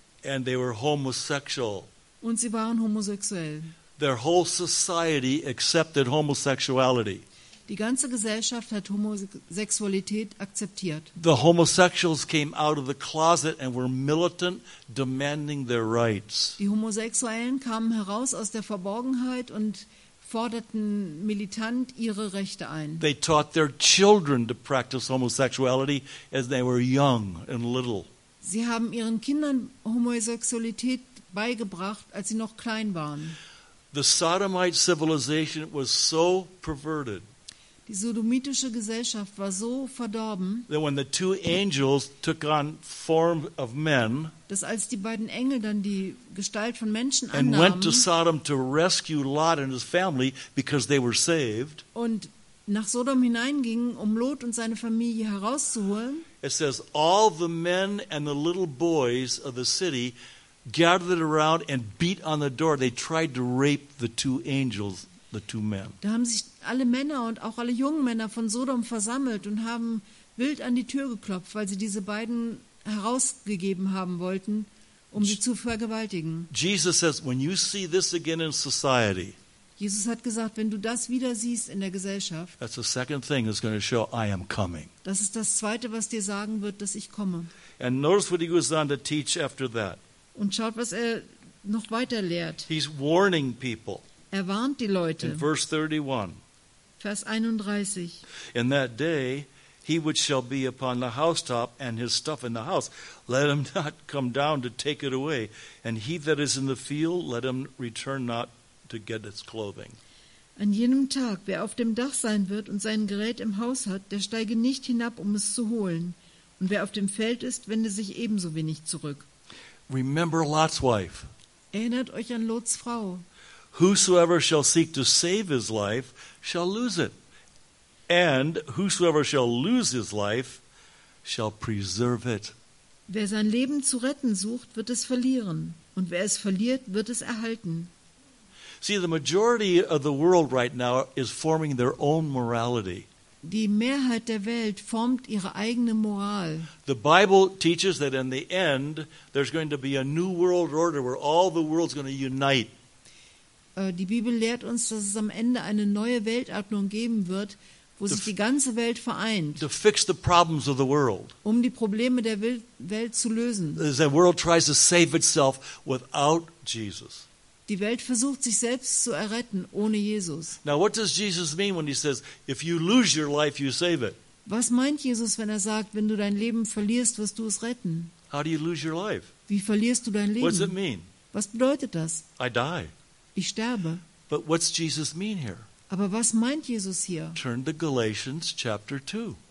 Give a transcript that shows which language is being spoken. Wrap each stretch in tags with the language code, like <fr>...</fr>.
<en>And they were homosexual.</en> <de>Und sie waren homosexuell.</de> <en>Their whole society accepted homosexuality.</en> <de>Die ganze Gesellschaft hat Homosexualität akzeptiert.</de> <en>The homosexuals came out of the closet and were militant, demanding their rights.</en> <de>Die Homosexuellen kamen heraus aus der Verborgenheit und forderten militant ihre Rechte ein.</de> <en>They taught their children to practice homosexuality as they were young and little.</en> <de>Sie haben ihren Kindern Homosexualität beigebracht, als sie noch klein waren.</de> <en>The Sodomite civilization was so perverted.</en> <de>Die sodomitische Gesellschaft war so verdorben,</de> <en>that when the two angels took on form of men,</en> <de>dass als die beiden Engel dann die Gestalt von Menschen annahmen,</de> <en>and went to Sodom to rescue Lot and his family because they were saved,</en> <de>und nach Sodom hineingingen, um Lot und seine Familie herauszuholen,</de> <en>it says all the men and the little boys of the city gathered around and beat on the door. They tried to rape the two angels. The two men.</en> <de>Da haben sich alle Männer und auch alle jungen Männer von Sodom versammelt und haben wild an die Tür geklopft, weil sie diese beiden herausgegeben haben wollten, um sie zu vergewaltigen.</de> <en>Jesus says, when you see this again in society,</en> <de>Jesus hat gesagt, wenn du das wieder siehst in der Gesellschaft,</de> <en>that's the second thing that's going to show I am coming.</en> <de>Das ist das Zweite, was dir sagen wird, dass ich komme.</de> <en>And notice what he goes on to teach after that.</en> <de>Und schaut, was er noch weiter lehrt.</de> <en>He's warning people.</en> <de>Er warnt die Leute.</de> <en>In verse 31.</en> <de>Vers 31.</de> <en>In that day, he which shall be upon the housetop and his stuff in the house, let him not come down to take it away. And he that is in the field, let him return not to get his clothing.</en> <de>An jenem Tag, wer auf dem Dach sein wird und sein Gerät im Haus hat, der steige nicht hinab, um es zu holen. Und wer auf dem Feld ist, wende sich ebenso wenig zurück.</de> <en>Remember Lot's wife.</en> <de>Erinnert euch an Lots Frau.</de> <en>Whosoever shall seek to save his life shall lose it. And whosoever shall lose his life shall preserve it.</en> <de>Wer sein Leben zu retten sucht, wird es verlieren. Und wer es verliert, wird es erhalten.</de> <en>See, the majority of the world right now is forming their own morality.</en> <de>Die Mehrheit der Welt formt ihre eigene Moral.</de> <en>The Bible teaches that in the end, there's going to be a new world order where all the world's going to unite.</en> <de>Die Bibel lehrt uns, dass es am Ende eine neue Weltordnung geben wird, wo sich die ganze Welt vereint,</de> <en>to fix the problems of the world.</en> <de>Um die Probleme der Welt zu lösen.</de> <en>The world tries to save itself without Jesus.</en> <de>Die Welt versucht, sich selbst zu erretten ohne Jesus.</de> <en>Now, what does Jesus mean when he says, if you lose your life, you save it?</en> <de>Was meint Jesus, wenn er sagt, wenn du dein Leben verlierst, wirst du es retten?</de> <en>How do you lose your life?</en> <de>Wie verlierst du dein Leben?</de> <en>What does it mean?</en> <de>Was bedeutet das?</de> <en>I die.</en> <de>Ich sterbe.</de> <en>But what's Jesus mean here?</en> <de>Aber was meint Jesus hier?</de> <en>Turn to Galatians chapter 2.</en>